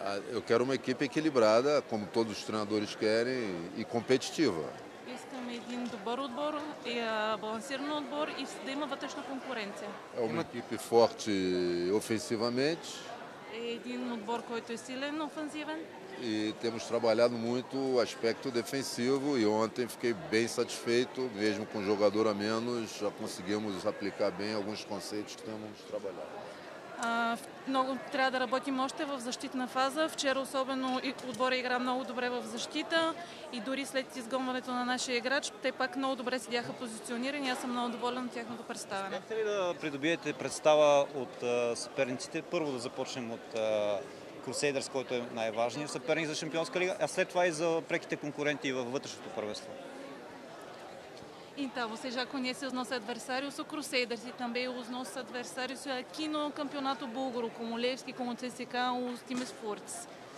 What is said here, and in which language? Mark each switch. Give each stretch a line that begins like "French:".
Portuguese: Eu quero uma equipe equilibrada, como todos os treinadores querem, e competitiva.
Bulgarian: Искам един добър отбор, балансиран отбор и да има вътрешна конкуренция.
Portuguese: É uma equipe forte ofensivamente.
Bulgarian: É един отбор, който е силен офанзивен.
Portuguese: E temos trabalhado muito o aspecto defensivo e ontem fiquei bem satisfeito, mesmo com jogador a menos, já conseguimos aplicar bem alguns conceitos que temos trabalhado.
Bulgarian: Много трябва да работим още в защитна фаза. Вчера особено отбора игра много добре в защита и дори след изгонването на нашия играч, те пак много добре седяха позиционирани. Аз съм много доволен от тяхното представяне. Искате ли да придобиете представа от съперниците? Първо да започнем от Crusaders, който е най-важният съперник за Шампионска лига, а след това и за преките конкуренти във вътрешното първенство.
Portuguese: Então, você já conhece os nossos adversários, o Crusaders, e também os nossos adversários aqui no Campeonato Búlgaro, como o Levski, como o CSKA, os times fortes.